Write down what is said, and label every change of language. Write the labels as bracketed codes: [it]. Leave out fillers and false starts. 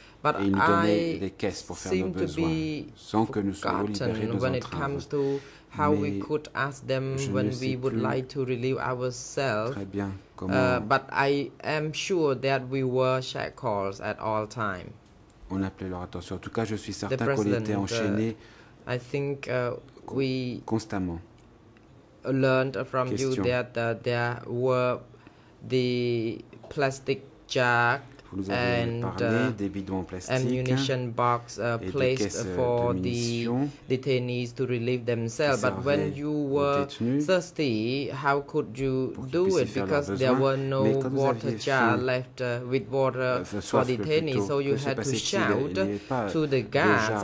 [en] But [fr] et il nous donnait des caisses pour faire nos besoins, sans que nous soyons libérés de nos entraves. [en] How we could ask them when we would like to relieve ourselves. [fr] Très bien. [en] But I am sure that we were shackled at all times. [fr] On appelait leur attention. En tout cas, je suis certain qu'on était enchaînés. [en] I think we [fr] constamment [en] learned from you that there were the plastic jars. [fr] Vous nous avez parlé des bidons en plastique, [en] ammunition box placed for the detainees to relieve themselves. But when you were thirsty, how could you do it? Because there were no water jar left with water for detainees, so you had to shout to the guards.